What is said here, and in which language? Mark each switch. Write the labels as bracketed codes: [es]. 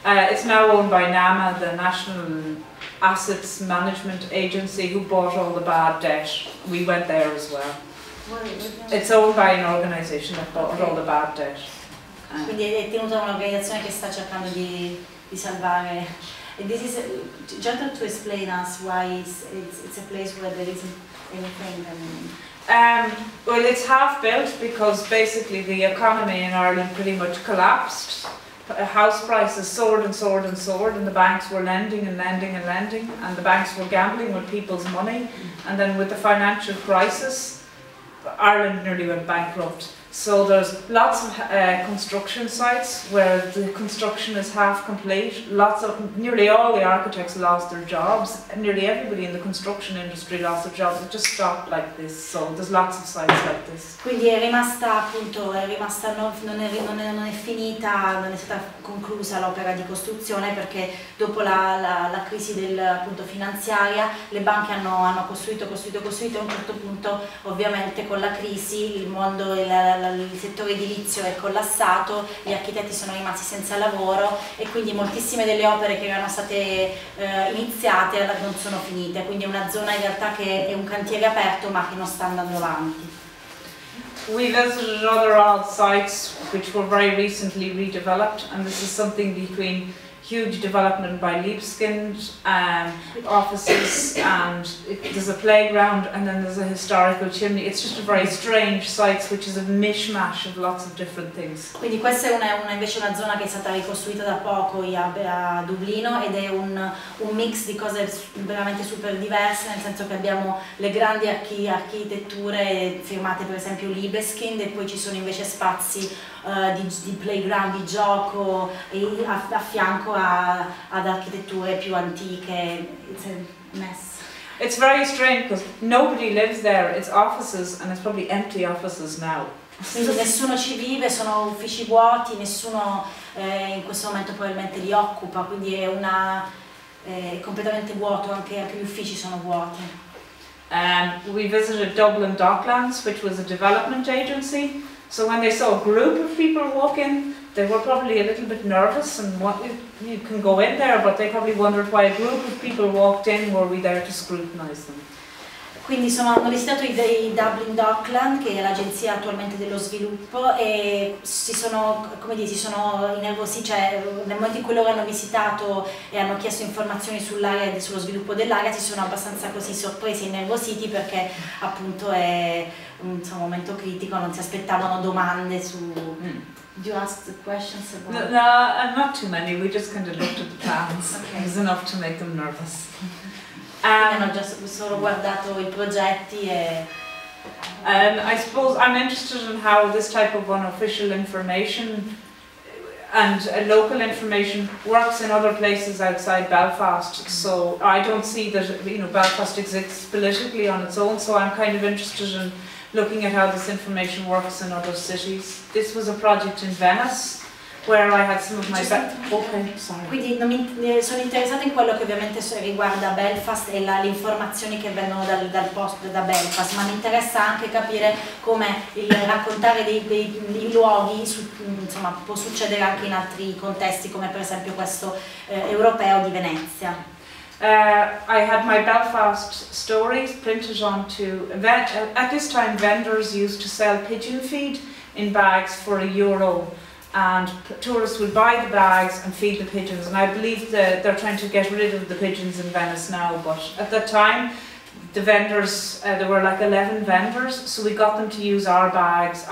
[en] It's now owned by NAMA, the National Assets Management Agency, who bought all the bad debt. We went there as well. It's owned by an organization that bought all the bad debt. [it] Quindi è tenuta da un'organizzazione che sta cercando di salvare. [en] And this is gentle to explain us why it's a place where there isn't anything. Well, it's half built because basically the economy in Ireland pretty much collapsed. House prices soared and soared and soared, and the banks were lending and lending and lending, and the banks were gambling with people's money. And then with the financial crisis, Ireland nearly went bankrupt. So there's lots of construction sites where the construction is half complete. Nearly all the architects lost their jobs. Nearly everybody in the construction industry lost their jobs. It just stopped like this. So there's lots of sites like this. [it] Quindi è rimasta, appunto, non è finita, non è stata conclusa l'opera di costruzione, perché dopo la crisi del, appunto, finanziaria, le banche hanno costruito, costruito, costruito, e a un certo punto, ovviamente, con la crisi, il mondo e la il settore edilizio è collassato, gli architetti sono rimasti senza lavoro e quindi moltissime delle opere che erano state iniziate non sono finite, quindi è una zona in realtà che è un cantiere aperto ma che non sta andando avanti. [en] We visited other art sites which were very recently redeveloped, and this is something between huge development by Liebskind, offices, and there's a playground, and then there's a historical chimney. It's just a very strange site, which is a mishmash of lots of different things. [it] Quindi questa è una zona che è stata ricostruita da poco a Dublino ed è un mix di cose veramente super diverse, nel senso che abbiamo le grandi architetture firmate per esempio Liebskind e poi ci sono invece spazi di playground, di gioco e a fianco ad architetture più antiche. [en] It's a mess. It's very strange because nobody lives there. It's offices and it's probably empty offices now. [it] Quindi nessuno ci vive, sono uffici vuoti, nessuno in questo momento probabilmente li occupa, quindi è una completamente vuoto, anche gli uffici sono vuoti. [en] We visited Dublin Docklands, which was a development agency. So when they saw a group of people walking, they were probably a little bit nervous and you can go in there, but they probably wondered why a group of people walked in, were we there to scrutinize them? [it] Quindi insomma hanno visitato i Dublin Dockland, che è l'agenzia attualmente dello sviluppo, e si sono innervosi, cioè nel momento in cui loro hanno visitato e hanno chiesto informazioni sull'area e sullo sviluppo dell'area, si sono abbastanza così sorpresi e innervositi perché appunto è un momento critico, non si aspettavano domande su. [en] Do you ask the questions about? No, not too many, we just kind of looked at the plans. Okay. It was enough to make them nervous. [it] Hanno già solo guardato i progetti e. [en] And I suppose I'm interested in how this type of unofficial information and local information works in other places outside Belfast. So I don't see that, you know, Belfast exists politically on its own, so I'm kind of interested in looking at how this information works in other cities. This was a project in Venice, where I had some of my [it] Quindi sono interessata in quello che ovviamente riguarda Belfast e le informazioni che vengono dal posto da Belfast, ma mi interessa anche capire come il raccontare dei luoghi insomma può succedere anche in altri contesti, come per esempio questo europeo di Venezia. [en] I had my Belfast stories printed onto at this time vendors used to sell pigeon feed in bags for €1. And tourists would buy the bags and feed the pigeons, and I believe that they're trying to get rid of the pigeons in Venice now, but at that time the vendors, there were like 11 vendors, so we got them to use our bags.